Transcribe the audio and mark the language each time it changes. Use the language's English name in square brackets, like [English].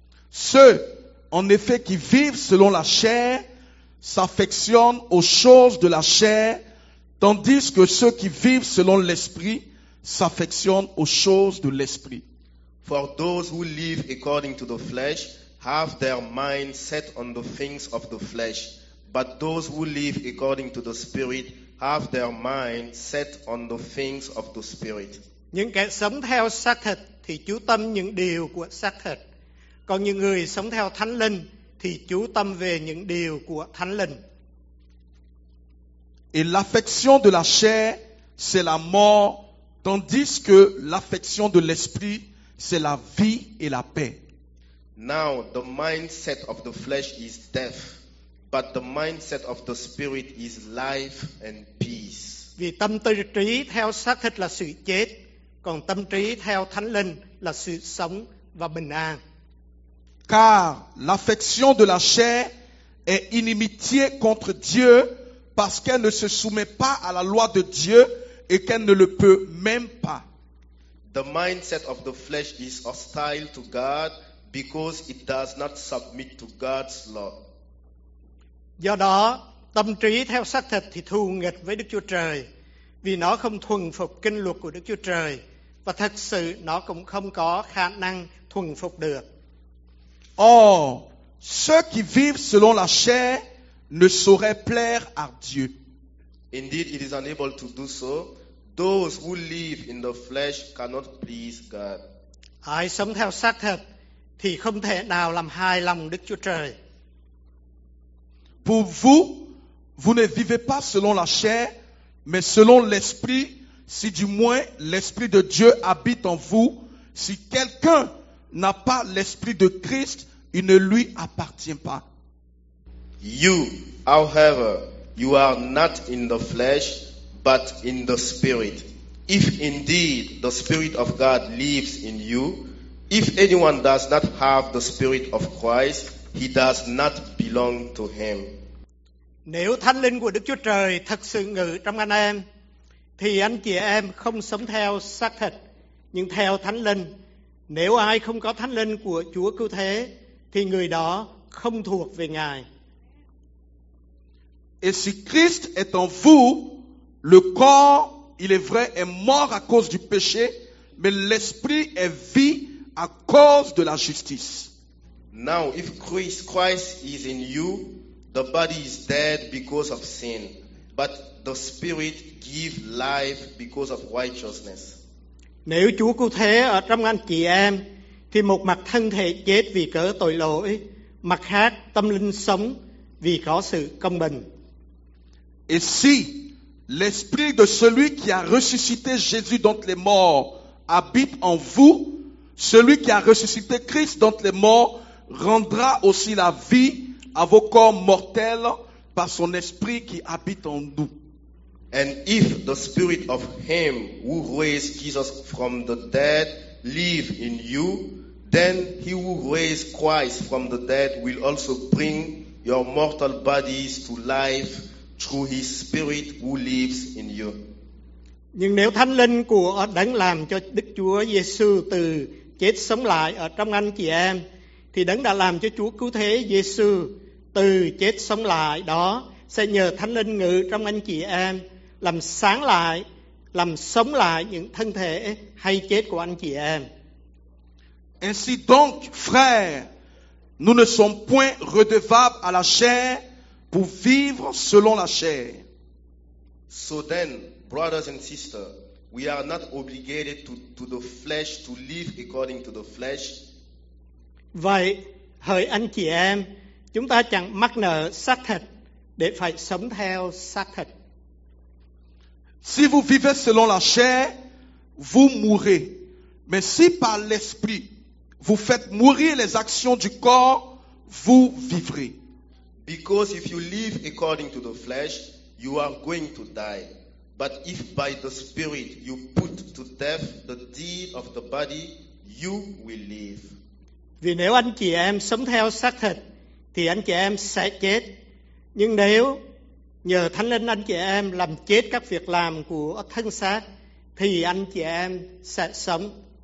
[French] Ceux en effet qui vivent selon la chair s'affectionnent aux choses de la chair, tandis que ceux qui vivent selon l'esprit s'affectionnent aux choses de l'esprit. [English] For those who live according to the flesh have their mind set on the things of the flesh, but those who live according to the spirit have their mind set on the things of the spirit. [Vietnamese] Những kẻ sống theo xác thịt thì chú tâm những điều của xác thịt, còn những người sống theo thánh linh thì chú tâm về những điều của thánh linh. [French] Et l'affection de la chair c'est la mort, tandis que l'affection de l'esprit c'est la vie et la paix. [English] Now the mindset of the flesh is death, but the mindset of the spirit is life and peace. [Vietnamese] Vì tâm trí theo xác thịt là sự chết, còn tâm trí theo thánh linh là sự sống và bình an. [French] Car l'affection de la chair est inimitié contre Dieu parce qu'elle ne se soumet pas à la loi de Dieu et qu'elle ne le peut même pas. [English] The mindset of the flesh is hostile to God because it does not submit to God's law. [Vietnamese] Do đó, tâm trí theo xác thịt thì thù nghịch với Đức Chúa Trời vì nó không thuần phục kinh luật của Đức Chúa Trời và thật sự nó cũng không có khả năng thuần phục được. [French] Or, ceux qui vivent selon la chair ne sauraient plaire à Dieu. [English] Indeed, it is unable to do so. Those who live in the flesh cannot please God. [Vietnamese] Ai sống theo xác thịt thì không thể nào làm hài lòng Đức Chúa Trời. [French] Pour vous, vous ne vivez pas selon la chair, mais selon l'esprit, si du moins l'esprit de Dieu habite en vous, si quelqu'un n'a pas l'esprit de Christ, il ne lui appartient pas. [English] You, however, You are not in the flesh, but in the spirit. If indeed the spirit of God lives in you, if anyone does not have the spirit of Christ, he does not belong to him. [Vietnamese] Nếu Thánh Linh của Đức Chúa Trời thật sự ngự trong anh em, thì anh chị em không sống theo xác thịt, nhưng theo Thánh Linh. Nếu ai không có Thánh Linh của Chúa cứu thế, thì người đó không thuộc về Ngài. [French] Et si Christ est en vous, le corps, il est vrai, est mort à cause du péché, mais l'esprit est vie à cause de la justice. [English] Now, if Christ is in you, the body is dead because of sin, but the spirit gives life because of righteousness. [Vietnamese] Nếu Chúa cứu thế ở trong anh chị em, thì một mặt thân thể chết vì cớ tội lỗi, mặt khác tâm linh sống vì có sự công bình. [French] Et si l'esprit de celui qui a ressuscité Jésus d'entre les morts habite en vous, celui qui a ressuscité Christ d'entre les morts rendra aussi la vie à vos corps mortels par son esprit qui habite en nous. [English] And if the spirit of him who raised Jesus from the dead lives in you, then he who raised Christ from the dead will also bring your mortal bodies to life through his spirit who lives in you. [Vietnamese] Nhưng nếu Thánh Linh của đấng làm cho Đức Chúa Giêsu từ chết sống lại ở trong anh chị em, thì đấng đã làm cho Chúa cứu thế Giêsu từ chết sống lại đó sẽ nhờ Thánh Linh ngự trong anh chị em làm sáng lại, làm sống lại những thân thể hay chết của anh chị em. [French] Ainsi donc, frères, nous ne sommes point redevables à la chair pour vivre selon la chair. [English] So then, brothers and sisters, we are not obligated to the flesh to live according to the flesh. [Vietnamese] Vậy, hỡi anh chị em, chúng ta chẳng mắc nợ xác thịt để phải sống theo xác thịt. [French] Si vous vivez selon la chair, vous mourrez. Mais si par l'esprit vous faites mourir les actions du corps, vous vivrez. [English] Because if you live according to the flesh, you are going to die. But if by the spirit you put to death the deed of the body, you will live. [Vietnamese] Vì nếu anh chị em sống theo xác thịt, thì anh chị em sẽ chết. Nhưng nếu nhờ Thánh Linh anh chị em làm chết các việc làm của thân xác, thì anh chị em sẽ sống.